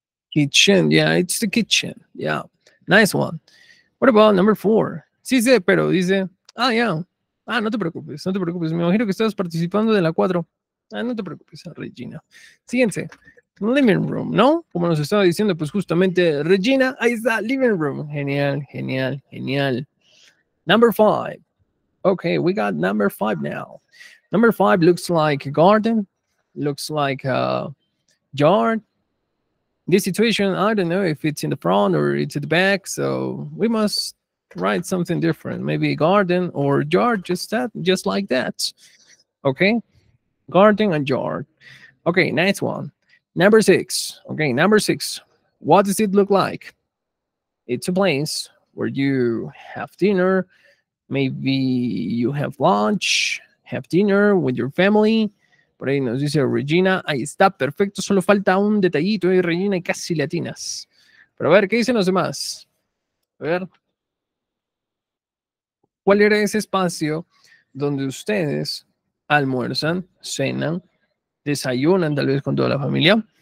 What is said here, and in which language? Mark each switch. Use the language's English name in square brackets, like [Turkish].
[English] Kitchen, yeah, it's the kitchen, yeah, nice one. What about number 4? [Spanish] Sí, sí, pero dice, ah, yeah, ah, no te preocupes, no te preocupes, me imagino que estás participando de la 4. Ah, no te preocupes, Regina. Siguiente, living room, ¿no? Como nos estaba diciendo, pues justamente, Regina, ahí está, living room. Genial, genial, genial. [English] Number 5. Okay, we got number 5 now. Number 5 looks like a garden, looks like a yard. This situation, I don't know if it's in the front or it's at the back, so we must write something different. Maybe garden or yard, just like that. Okay? Garden and yard. Okay, nice one. Number 6. Okay, number 6. What does it look like? It's a place where you have dinner. Maybe you have lunch, have dinner with your family. [Spanish] Por ahí nos dice Regina, ahí está, perfecto, solo falta un detallito ahí, Regina, y casi latinas. Pero a ver, ¿qué dicen los demás? A ver. ¿Cuál era ese espacio donde ustedes almuerzan, cenan, desayunan tal vez con toda la familia?